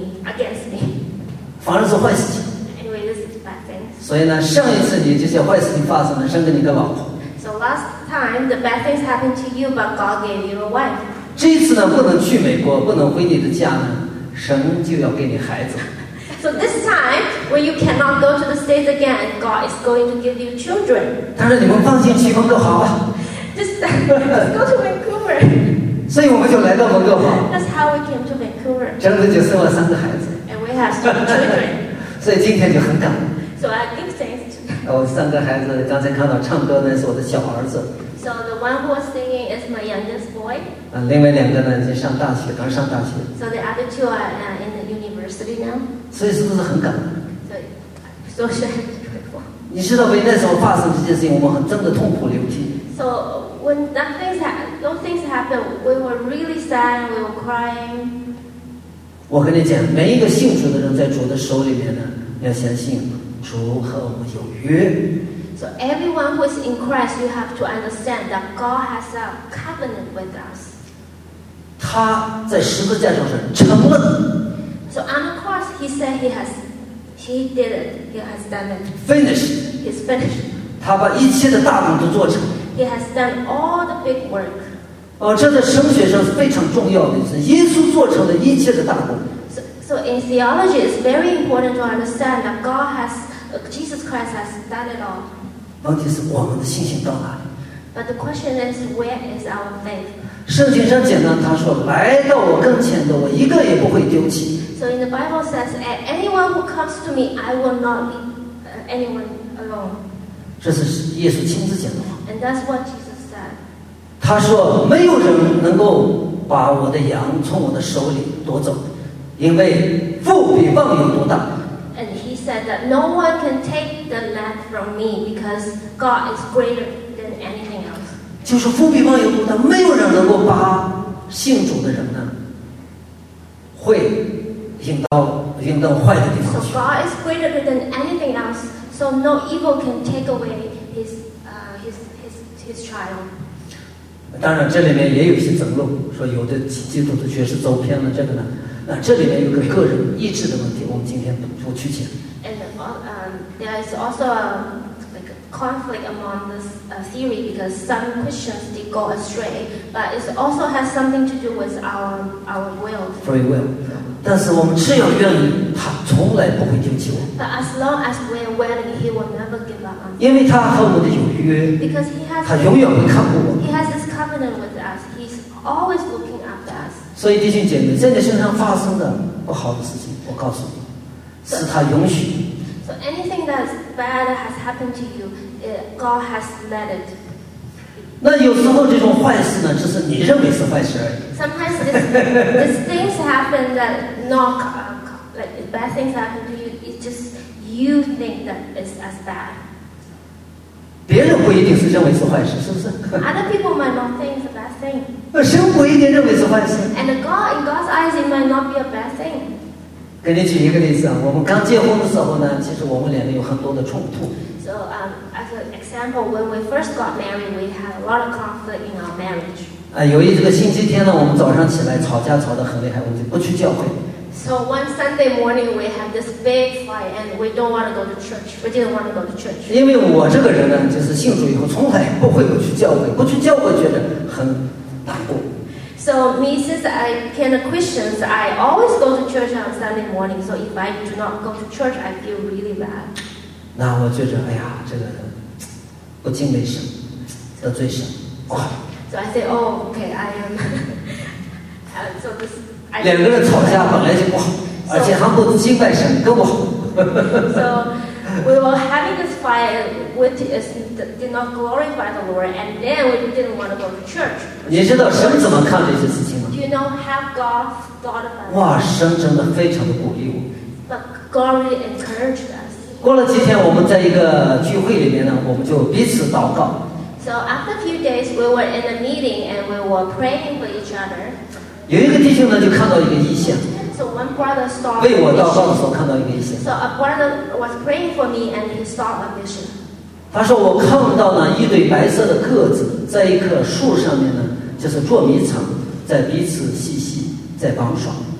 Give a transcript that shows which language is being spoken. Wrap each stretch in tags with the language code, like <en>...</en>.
<en>Or else you can say that the US have something to do with me, against me.</en> <zh>反而是坏事情。</zh> <en>Anyway, this is bad things.</en> <zh>所以呢，上一次你这些坏事情发生了，神给你的老婆。</zh> <en>So last time the bad things happened to you, but God gave you a wife.</en> <zh>这次呢，不能去美国，不能回你的家呢，神就要给你孩子。</zh> <en>So this time, when you cannot go to the States again, God is going to give you children.</en> <zh>但是你们放心去蒙哥华吧。</zh> <en>Just go to Vancouver.</en> <zh>所以我们就来到蒙哥华。</zh> <en>That's how we came to Vancouver.</en> <zh>真的就生了三个孩子。</zh> <en>And we have three children.</en> <zh>所以今天就很感恩。</zh> <en>So I give thanks to.</en> <zh>我三个孩子刚才看到唱歌呢，是我的小儿子。</zh> <en>So the one who was singing is my youngest boy.</en> <zh>另外两个呢，已经上大学，刚上大学。</zh> <en>So the other two are in the university now.</en> <zh>所以是不是很感恩？所以，你知道为那时候发生这件事情，我们很真的痛苦流涕。</zh> <en>So when those things happened, we were really sad. We were crying.</en> <zh>我跟你讲，每一个信主的人在主的手里面呢，要相信主和我们有约。</zh> <en>So everyone who is in Christ, you have to understand that God has a covenant with us.</en> <zh>他在十字架上是成了。</zh> <en>So on the cross, he said he did it. He has done it. Finished. He's finished.</en> <zh>他把一切的大功都做成。</zh> <en>He has done all the big work.</en> <zh>这在神学上是非常重要的，是耶稣做成的一切的大功。</zh> <en>So in theology, it's very important to understand that God has, Jesus Christ has done it all.</en> <zh>问题是我们的信心到哪里？</zh> <en>But the question is, where is our faith?</en> <zh>圣经上简单，他说，来到我跟前的，我一个也不会丢弃。</zh> <en>So in the Bible says, anyone who comes to me, I will not leave anyone alone.</en> <zh>这是耶稣亲自讲的。</zh> <en>And that's what Jesus said.</en> <zh>他说没有人能够把我的羊从我的手里夺走，因为父比万有多大。</zh> <en>And he said that no one can take the lamb from me because God is greater than anything else.</en> <zh>就是父比万有多大，没有人能够把信主的人呢会引到坏的地方去。</zh> <en>So God is greater than anything else, so no evil can take away his child.</en> <zh>当然这里面也有些争论，说有的基督徒确实走偏了这个呢，那这里面有个个人意志的问题，我们今天不去讲。</zh> <en>And there is also a, like a conflict among this theory because some Christians did go astray, but it also has something to do with our will. Free will.</en> <zh>但是我们只要愿意，他从来不会丢弃我。</zh> <en>But as long as we're willing, he will never give up.</en> <zh>因为他和我们的有约。</zh> <en>Because he has.</en> <zh>他永远会看顾我。</zh> <en>He has this covenant with us. He's always looking after us.</en> <zh>所以弟兄姐妹，在你身上发生的不好的事情，我告诉你，是他允许。</zh> <en>So anything that's bad has happened to you, God has let it.</en> <zh>那有时候这种坏事呢，只是你认为是坏事而已。</zh> <en>Sometimes this things happen that not like bad things happen to you. It's just you think that it's as bad.</en> <zh>别人不一定是认为是坏事，是不是？</zh> <en>Other people might not think it's a bad thing.</en> <zh>那神不一定认为是坏事。</zh> <en>And in God's eyes, it might not be a bad thing.</en> <zh>给你举一个例子，我们刚结婚的时候呢，其实我们两个有很多的冲突。</zh> <en>So, as an example, when we first got married, we had a lot of conflict in our marriage.</en> <zh>由于这个星期天呢，我们早上起来吵架吵得很厉害，我们就不去教会。</zh> <en>So one Sunday morning, we had this big fight, and we don't want to go to church. We didn't want to go to church.</en> <zh>因为我这个人呢，就是信主以后从来不会不去教会，不去教会觉得很难过。</zh> <en>So me, since I became a Christian, I always go to church on Sunday morning. So if I do not go to church, I feel really bad.</en> <zh>那我觉得，哎呀，这个人不敬畏神，得罪神，哇！</zh> <en>So I say, oh, okay, I am. so this.</en> <zh>两个人吵架本来就不好，而且还不敬畏神，更不好。</zh> <en>So we were having this fight. Which is did not glorify the Lord, and then we didn't want to go to church.</en> <zh>你知道神怎么看这些事情吗？</zh> <en>Do you know how God thought about it?</en> <zh>哇，神真的非常的鼓励我。</zh> <en>But God really encouraged us.</en> <zh>过了几天，我们在一个聚会里面呢，我们就彼此祷告。</zh> <en>So after a few days, we were in a meeting and we were praying for each other.</en> <zh>有一个弟兄呢，就看到一个异象。</zh> <en>So one brother saw.</en> <zh>为我祷告的时候看到一个异象。</zh> <en>So a brother was praying for me and he saw a vision.</en> <zh>他说我看到了一对白色的鸽子在一棵树上面呢，就是捉迷藏，在彼此嬉戏，在帮耍。</zh>